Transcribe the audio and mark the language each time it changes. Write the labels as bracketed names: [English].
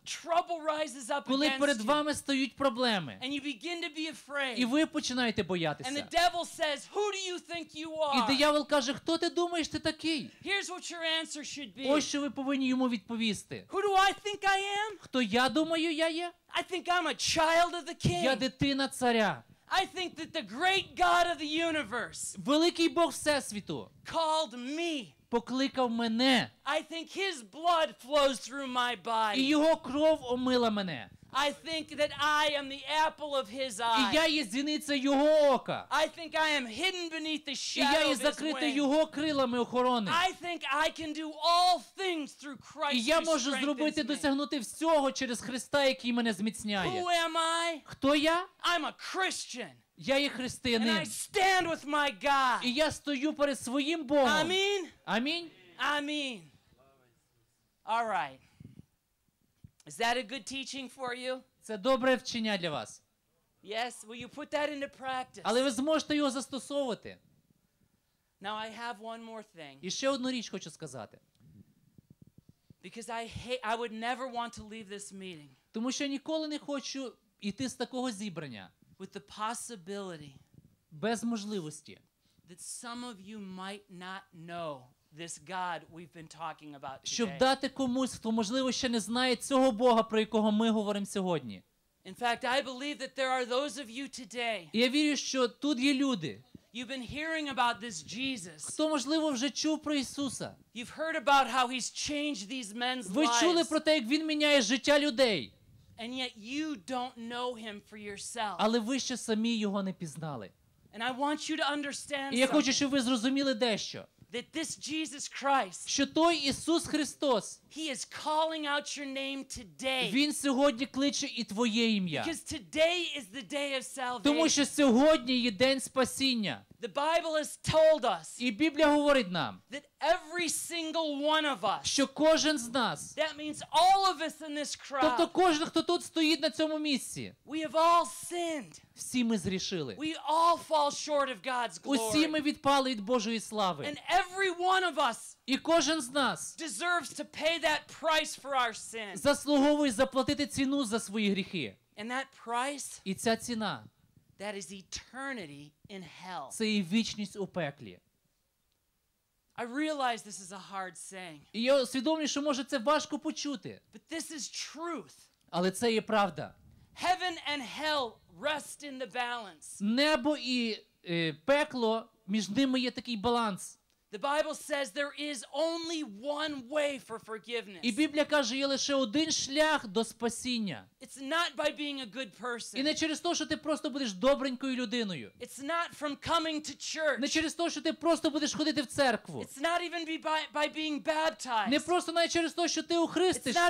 [English] trouble rises up, [Ukrainian] коли перед вами стають проблеми, [English] and you begin to be afraid, [Ukrainian] і ви починаєте боятися, [English] and the devil says, "Who do you think you are?" [Ukrainian] І диявол каже: "Хто ти думаєш, ти такий?" [English] Here's what your answer should be. [Ukrainian] Ось що ви повинні йому відповісти. [English] Who do I think I am? [Ukrainian] Хто я думаю, я є? [English] I think I'm a child of the king. [Ukrainian] Я дитина царя. [English] I think that the great God of the universe, [Ukrainian] великий Бог Всесвіту, [English] called me, [Ukrainian] покликав мене. [English] I think his blood flows through my body. [Ukrainian] І його кров омила мене. [English] I think that I am the apple of his eye. [Ukrainian] І я є зіниця його ока. [English] I think I am hidden beneath the shadow of his wing. [Ukrainian] І я є закрита його крилами охорони. [English] I think I can do all things through Christ. [Ukrainian] І я можу зробити, досягнути всього через Христа, який мене зміцняє. [English] Who am I? [Ukrainian] Хто я? [English] I'm a Christian. [Ukrainian] Я є християнин. [English] And I stand with my God. [Ukrainian] І я стою перед своїм Богом. Амінь. Амінь. Амінь. [English] All right. Is that a good teaching for you? [Ukrainian] Це добре вчення для вас. [English] Yes, will you put that into practice? [Ukrainian] Але ви зможете його застосовувати. [English] Now I have one more thing. [Ukrainian] І ще одну річ хочу сказати. [English] Because I would never want to leave this meeting. [Ukrainian] Тому що ніколи не хочу йти з такого зібрання. [English] With the possibility. [Ukrainian] Без можливості. [English] That some of you might not know this God we've been talking about today. [Ukrainian] Щоб дати комусь, хто, можливо, ще не знає цього Бога, про якого ми говоримо сьогодні. [English] In fact, I believe that there are those of you today. [Ukrainian] Я вірю, що тут є люди. [English] You've been hearing about this Jesus. [Ukrainian] Хто, можливо, вже чув про Ісуса. [English] You've heard about how he's changed these men's lives. [Ukrainian] Ви чули про те, як він міняє життя людей. [English] And yet you don't know him for yourself. [Ukrainian] Але ви ще самі його не пізнали. [English] And I want you to understand. [Ukrainian] І я хочу, щоб ви зрозуміли дещо. [English] That this Jesus Christ, [Ukrainian] що той Ісус Христос, [English] he is calling out your name today. [Ukrainian] Він сьогодні кличе і твоє ім'я. [English] Because today is the day of salvation. [Ukrainian] Тому що сьогодні є день спасіння. [English] The Bible has told us. [Ukrainian] І Біблія говорить нам. [English] That every single one of us. [Ukrainian] Що кожен з нас. [English] That means all of us in this crowd. [Ukrainian] Тобто кожен, хто тут стоїть на цьому місці. [English] We have all sinned. [Ukrainian] Всі ми згрішили. [English] We all fall short of God's glory. [Ukrainian] Усі ми відпали від Божої слави. [English] And every one of us. [Ukrainian] І кожен з нас. [English] Deserves to pay that price for our sin. [Ukrainian] Заслуговує заплатити ціну за свої гріхи. [English] And that price. [Ukrainian] І ця ціна. [English] That is eternity in hell. [Ukrainian] Це є вічність у пеклі. [English] I realize this is a hard saying. [Ukrainian] І я усвідомлюю, що може це важко почути. [English] But this is truth. [Ukrainian] Але це є правда. [English] Heaven and hell rest in the balance. [Ukrainian] Небо і пекло, між ними є такий баланс. [English] The Bible says there is only one way for forgiveness. [Ukrainian] І Біблія каже, є лише один шлях до спасіння. [English] It's not by being a good person. [Ukrainian] І не через те, що ти просто будеш добренькою людиною. [English] It's not from coming to church. [Ukrainian] Не через те, що ти просто будеш ходити в церкву. [English] It's not even by being baptized. [Ukrainian] Не просто навіть через те, що ти охрестишся.